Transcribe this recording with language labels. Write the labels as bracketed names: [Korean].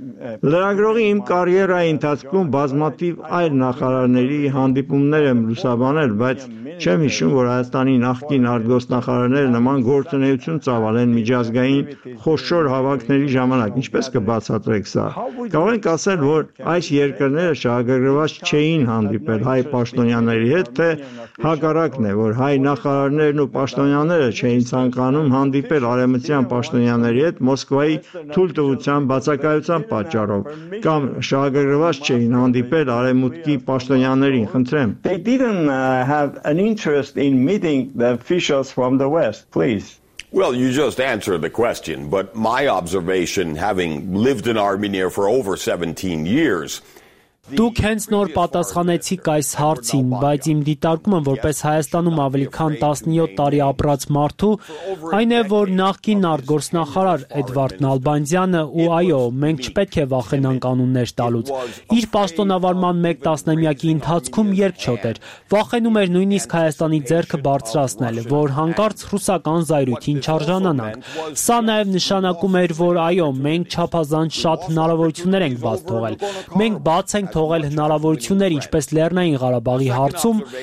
[Armenian] Լրագրողի իմ կարիերայի ընթացքում բազմաթիվ այլ նախարարների հանդիպումներ եմ լուսաբանել, բայց չեմ հիշում, որ Հայաստանի նախկին արտգործնախարարները նման գործունեություն ծավալեն միջազգային խոշոր հավաքների ժամանակ։ Ինչպես կբացատրեք սա։ Կարող ենք ասել, որ այս երկրները շահագրգռված չէին հանդիպել հայ պաշտոնյաների հետ, թե հակառակն է, որ հայ նախարարներն ու պաշտոնյաները չէին ցանկանում հանդիպել արևմտյան պաշտոնյաների հետ Մոսկվայի թույլ տվության բացակայության պատճառով, կամ շահագրգռված չէին հանդիպել արևմուտքի պաշտոնյաներին, խնդրեմ։ [English] An interest in meeting the officials from the West, please. Well, you just answered the question, but my observation, having lived in Armenia for over 17 years, [Armenian] Դուք հենց նոր պատասխանեցիք այս հարցին, բայց իմ դիտարկումը որպես Հայաստանում ավելի քան 17 տարի ապրած մարդու, այն է, որ նախկին արտգործնախարար Էդվարդ Նալբանդյանը ու այո, մենք չպետք է վախենանք անուններ տալուց, իր պաշտոնավարման մեկ տասնամյակի ընթացքում երկչոտ էր, վախենում էր նույնիսկ Հայաստանի ձեռքը բարձրացնել, որ հանկարծ ռուսական զայրույթին չարժանանանք։ Սա նաև նշանակում էր, որ այո, մենք չափազանց շատ հնարավորություններ ենք բաց թողել, մենք բաց ենք թողել հնարավորություններ ինչպես Լեռնային Ղարաբաղի հարցում,